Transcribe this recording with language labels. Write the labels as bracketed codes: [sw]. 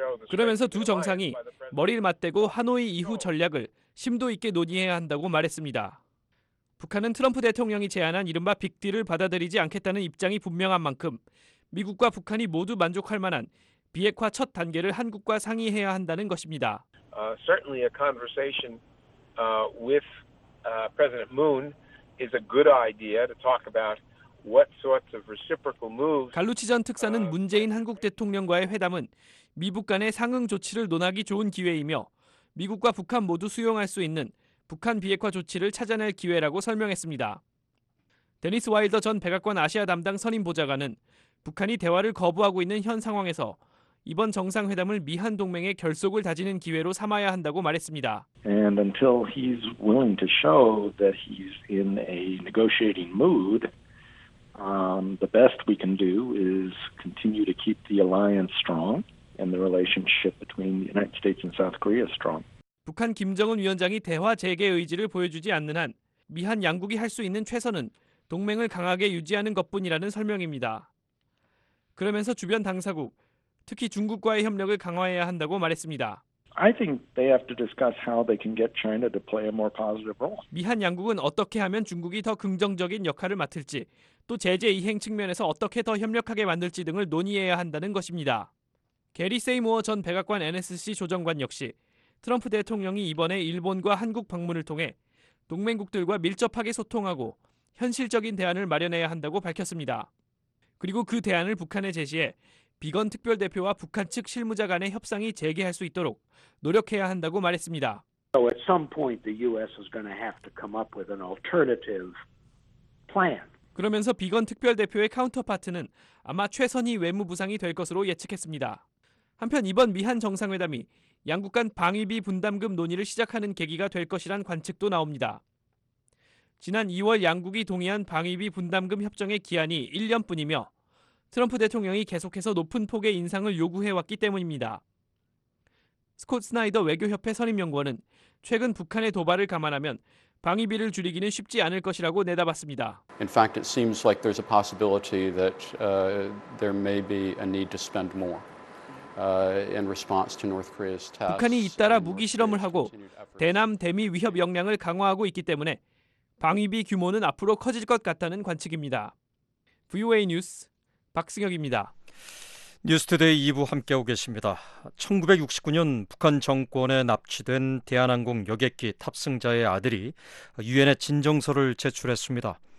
[ko] 그러면서 두 정상이 머리를 맞대고 하노이 이후 전략을 심도 있게 논의해야 한다고 말했습니다. 북한은 트럼프 대통령이 제안한 이른바 빅딜을 받아들이지 않겠다는 입장이 분명한 만큼 미국과 북한이 모두 만족할 만한 비핵화 첫 단계를 한국과 상의해야 한다는 것입니다. [en] Certainly a conversation with President Moon is a good idea to talk about. [ko] 갈루치 전 특사는 문재인 한국 대통령과의 회담은 미북 간의 상응 조치를 논하기 좋은 기회이며 미국과 북한 모두 수용할 수 있는 북한 비핵화 조치를 찾아낼 기회라고 설명했습니다. 데니스 와일더 전 백악관 아시아 담당 선임 보좌관은 북한이 대화를 거부하고 있는 현 상황에서 이번 정상회담을 미한 동맹의 결속을 다지는 기회로 삼아야 한다고 말했습니다. [en] And until he's willing to show that he's in a negotiating mood, the best we can do is continue to keep the alliance strong and the relationship between the United States and South Korea strong. [ko] 북한 김정은 위원장이 대화 재개 의지를 보여주지 않는 한 미한 양국이 할 수 있는 최선은 동맹을 강하게 유지하는 것뿐이라는 설명입니다. 그러면서 주변 당사국, 특히 중국과의 협력을 강화해야 한다고 말했습니다. [en] I think they have to discuss how they can get China to play a more positive role. [ko] 미한 양국은 어떻게 하면 중국이 더 긍정적인 역할을 맡을지, 또 제재 이행 측면에서 어떻게 더 협력하게 만들지 등을 논의해야 한다는 것입니다. 게리 세이모어 전 백악관 NSC 조정관 역시 트럼프 대통령이 이번에 일본과 한국 방문을 통해 동맹국들과 밀접하게 소통하고 현실적인 대안을 마련해야 한다고 밝혔습니다. 그리고 그 대안을 북한에 제시해 비건 특별대표와 북한 측 실무자 간의 협상이 재개할 수 있도록 노력해야 한다고 말했습니다. [en] So at some point the US is going to have to come up with an alternative plan. [ko] 그러면서 비건 특별대표의 카운터파트는 아마 최선희 외무부상이 될 것으로 예측했습니다. 한편 이번 미한 정상회담이 양국 간 방위비 분담금 논의를 시작하는 계기가 될 것이란 관측도 나옵니다. 지난 2월 양국이 동의한 방위비 분담금 협정의 기한이 1년뿐이며 트럼프 대통령이 계속해서 높은 폭의 인상을 요구해왔기 때문입니다. 스콧 스나이더 외교협회 선임연구원은 최근 북한의 도발을 감안하면 방위비를 줄이기는 쉽지 않을 것이라고 내다봤습니다. [en] In fact, it seems like there's a possibility that there may be a need to spend more. In response to North Korea's tests, [ko] 북한이 잇따라 무기 실험을 하고 대남 대미 위협 역량을 강화하고 있기 때문에 방위비 규모는 앞으로 커질 것 같다는 관측입니다. VOA 뉴스 박승혁입니다. 뉴스투데이 2부 함께하고 계십니다. 1969년 북한 정권에 납치된 대한항공 여객기 탑승자의 아들이 유엔에 진정서를 제출했습니다.